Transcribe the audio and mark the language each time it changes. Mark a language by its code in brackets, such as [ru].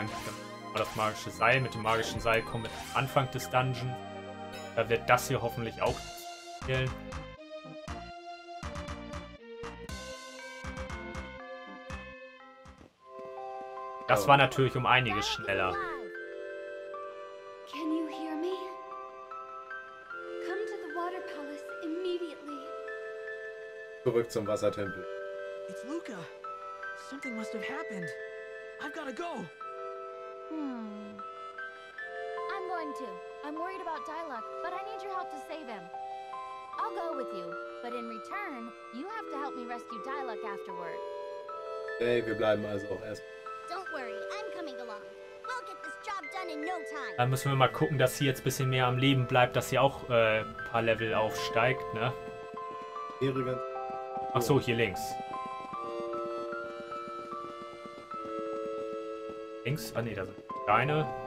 [de] Dann war das magische Seil. Mit dem magischen Seil kommen wir zum Anfang des Dungeon. Da wird das hier hoffentlich auch fehlen. Das war natürlich um einiges schneller. [en] Can you hear me? Come to the water palace immediately. [de] Zurück zum Wassertempel. [en] It's Luca. Something must have happened. I've gotta go. I'm going too. I'm worried about Dylok, but I need your help to save him. I'll go with you, but in return, you have to help me rescue Dylok afterward. [de] Hey, wir bleiben also auch erst. [en] Don't worry, I'm coming along. We'll get this job done in no time. [de] Dann müssen wir mal gucken, dass sie jetzt ein bisschen mehr am Leben bleibt, dass sie auch ein paar Level aufsteigt, ne? Ach so, hier links. Links? Ah ne, da sind deine.